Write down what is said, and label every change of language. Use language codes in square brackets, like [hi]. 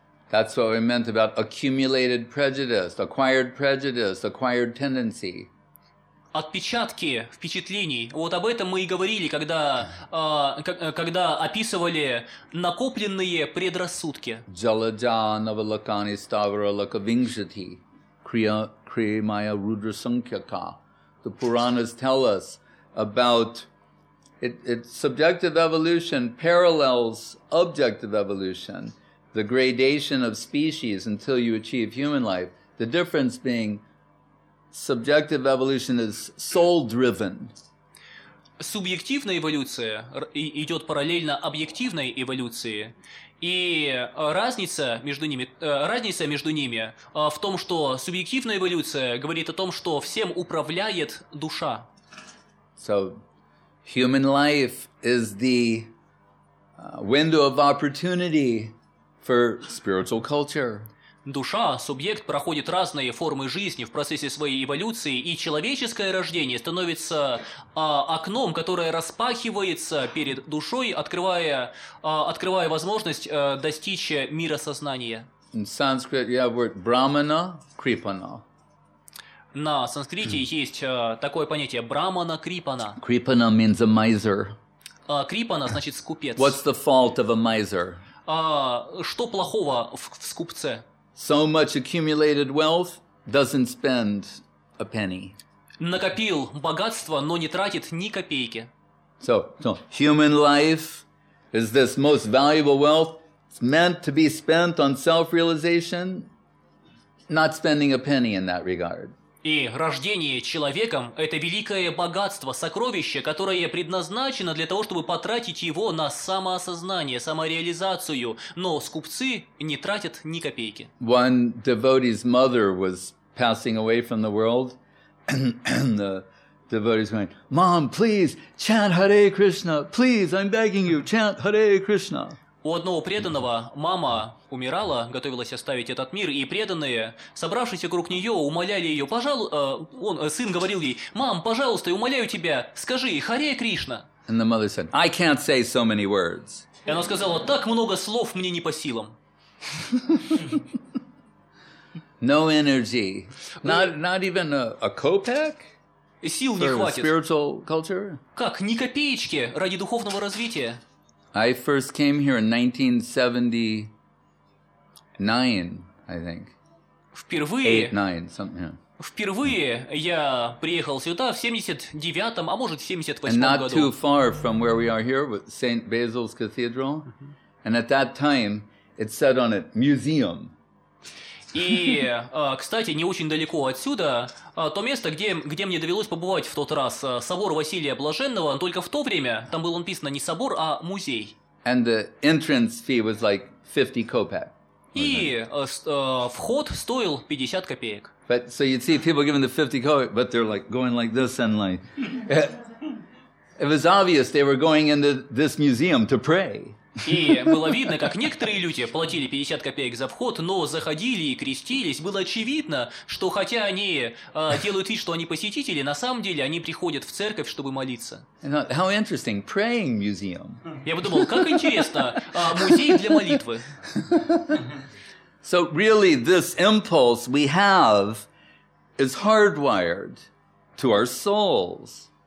[en] That's what we meant about accumulated prejudice, acquired tendency. [ru] Отпечатки впечатлений. Вот об этом мы и говорили, когда, когда описывали накопленные предрассудки. [sa] Джаладжа навалакани ставара лакавиншати. Kriyamaya Rudra Sankhyaka. [en] The Puranas tell us about subjective evolution parallels objective evolution, the gradation of species until you achieve human life. The difference being subjective evolution is soul-driven. [ru] Субъективная эволюция идет параллельно объективной эволюции. И разница между ними в том, что субъективная эволюция говорит о том, что всем управляет душа. [en] So, human life is the window of opportunity for spiritual culture. [ru] Душа, субъект, проходит разные формы жизни в процессе своей эволюции, и человеческое рождение становится окном, которое распахивается перед душой, открывая возможность достичь мира сознания. [en] In Sanskrit, you have word brahmana, kripana. [ru] На санскрите есть такое понятие брахмана, крипана. [en] Крипана means a miser. [ru] Крипана значит скупец. [en] What's the fault of a miser? [ru] Что плохого в скупце? [en] So much accumulated wealth doesn't spend a penny. [ru] Накопил богатство, но не тратит ни копейки. [en] So human life is this most valuable wealth. It's meant to be spent on self-realization, not spending a penny in that regard. [ru] И рождение человеком – это великое богатство, сокровище, которое предназначено для того, чтобы потратить его на самоосознание, самореализацию. Но скупцы не тратят ни копейки. [en] One devotee's mother was passing away from the world. The devotee's going, Mom, please, chant Hare Krishna. Please, I'm begging you, chant Hare Krishna. [ru] У одного преданного мама умирала, готовилась оставить этот мир, и преданные, собравшись вокруг нее, умоляли ее, сын говорил ей, «Мам, пожалуйста, я умоляю тебя, скажи Харе Кришна!» [en] And the mother said, I can't say so many words. [ru] И она сказала, «Так много слов мне не по силам!» [en] No energy. Not even a kopeck? [ru] Сил не хватит. [en] For spiritual culture? [ru] Как, ни копеечки ради духовного развития? [en] I first came here in 1979, I think. [ru] Впервые... [en] 8-9, something, yeah. [ru] Впервые я приехал сюда в 79-м, а может, в 78-м году. [en] And not too far from where we are here, with St. Basil's Cathedral. And at that time, it said on it, museum. [ru] И, кстати, не очень далеко отсюда, то место, где мне довелось побывать в тот раз, собор Василия Блаженного, только в то время там было написано не собор, а музей. [en] And the entrance fee was like 50 kopeck. [ru] И вход стоил 50 копеек. [en] But so you'd see people giving the 50 kopeck, but they're like going like this and like... It was obvious they were going into this museum to pray. [ru] И было видно, как некоторые люди платили 50 копеек за вход, но заходили и крестились. Было очевидно, что хотя они делают вид, что они посетители, на самом деле они приходят в церковь, чтобы молиться. [en] How interesting, praying museum. [ru] Я подумал, как интересно, музей для молитвы. [en] So really this impulse we have is hardwired to our souls.